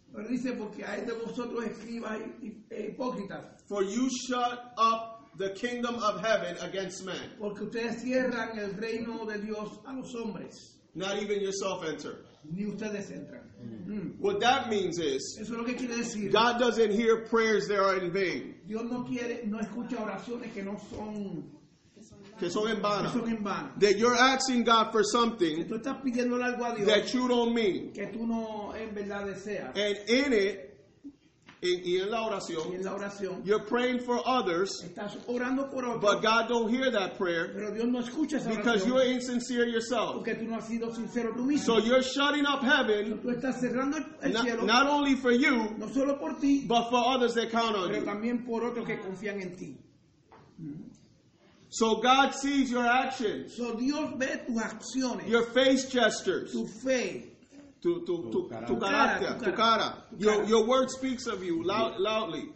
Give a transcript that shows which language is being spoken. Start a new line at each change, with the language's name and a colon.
Spanish: Pero dice, porque hay de vosotros escribas e hipócritas.
English: For you shut up the kingdom of heaven against men.
Spanish: Porque ustedes cierran el reino de Dios a los hombres.
English: Not even yourself enter.
Spanish: Ni ustedes entran.
English: Mm. What that means is,
Spanish: eso es lo que quiere decir.
English: God doesn't hear prayers that are in vain.
Spanish: Dios no quiere, no escucha oraciones que no son. Que son en vano. Que son en vano.
English: That you're asking God for something
Spanish: que tú estás pidiéndole algo a Dios
English: that you don't mean.
Spanish: Que tú no en verdad deseas.
English: And in it,
Spanish: y en la oración, y en la oración,
English: you're praying for others,
Spanish: estás orando por otros,
English: but God don't hear that prayer
Spanish: pero Dios no escucha esa
English: because
Spanish: oración,
English: you're insincere yourself.
Spanish: Porque tú no has sido sincero tú mismo.
English: So you're shutting up heaven,
Spanish: tú estás cerrando el cielo,
English: not only for you,
Spanish: no solo por ti,
English: but for others that count on
Spanish: pero
English: you.
Spanish: También por otros que confían en ti.
English: So God sees your actions.
Spanish: So Dios ve tus acciones.
English: Your face gestures.
Spanish: Tu fe. Tu carácter. Tu cara.
English: Your word speaks of you loudly.